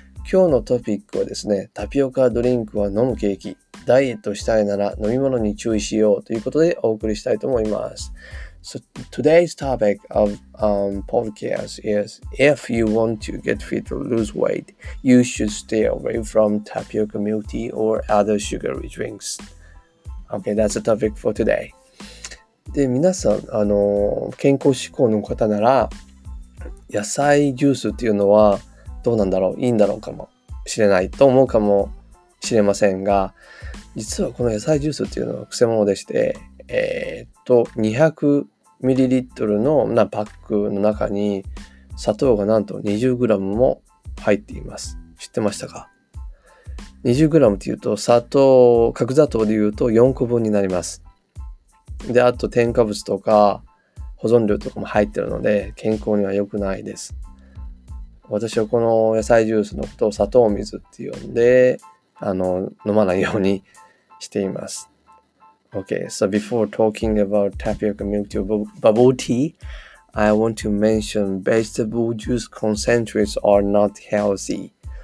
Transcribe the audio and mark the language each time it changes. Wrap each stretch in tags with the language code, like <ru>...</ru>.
<ja>今日のトピックはですね、タピオカドリンクは飲むケーキ。ダイエットしたいなら飲み物に注意しようということでお送りしたいと思います。</ja> <en>So, today's topic of podcast is if you want to get fit or lose weight, you should stay away from tapioca milk tea or other sugary drinks. Okay, that's the topic for today.</en> <ja>で、皆さん、健康志向の方なら、野菜ジュースっていうのはどうなんだろう、いいんだろうかもしれないと思うかもしれませんが、実はこの野菜ジュースっていうのはくせ者でして、200ml のなパックの中に砂糖がなんと 20g も入っています。知ってましたか ?20g っていうと砂糖、角砂糖でいうと4個分になります。で、あと添加物とか保存料とかも入ってるので健康には良くないです。私はこの野菜ジュースのことを砂糖水って呼んで、飲まないようにしています。</ja> <en>Okay, so before talking about tapioca milk tea or bubble tea, I want to mention vegetable juice concentrates are not healthy.</en>